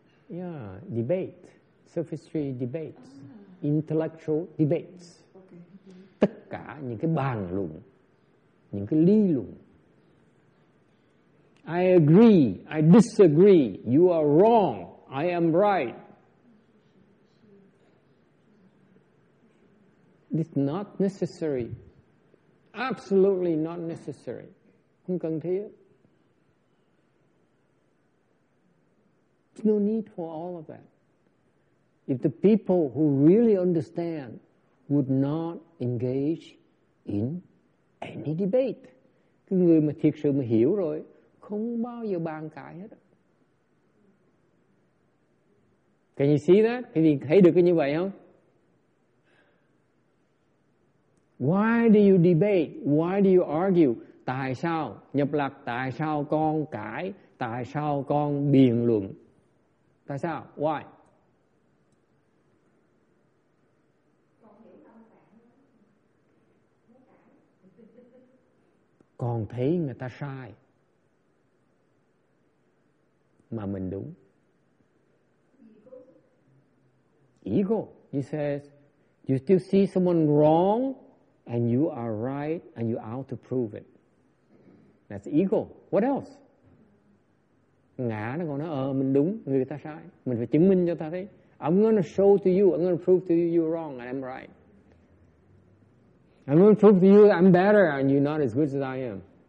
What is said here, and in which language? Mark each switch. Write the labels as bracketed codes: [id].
[en] Yeah, debate. Sophistry debates. Intellectual debates. [vi] Tất cả những cái bàn luận, những cái lý luận. [en] I agree, I disagree, you are wrong, I am right. It's not necessary. Absolutely not necessary. [vi] Không cần thiết. [en] There's no need for all of that. If the people who really understand would not engage in any debate. [vi] Cái người mà thiệt sự mà hiểu rồi, không bao giờ bàn cãi hết. [en] Can you see that? [vi] Thì thấy được cái như vậy không? [en] Why do you debate? Why do you argue? [vi] Tại sao nhập lạc? Tại sao con cãi? Tại sao con biện luận? Tại sao? Why? Còn thấy người ta sai mà mình đúng. [en] Ego. He says, you still see someone wrong and you are right and you're out to prove it. That's ego. What else? [vi] Ngã nó còn nói, mình đúng, người ta sai. Mình phải chứng minh cho ta thấy. [en] I'm going to show to you, I'm going to prove to you you're wrong and I'm right. I'm going to prove to you I'm better and you're not as good as I am.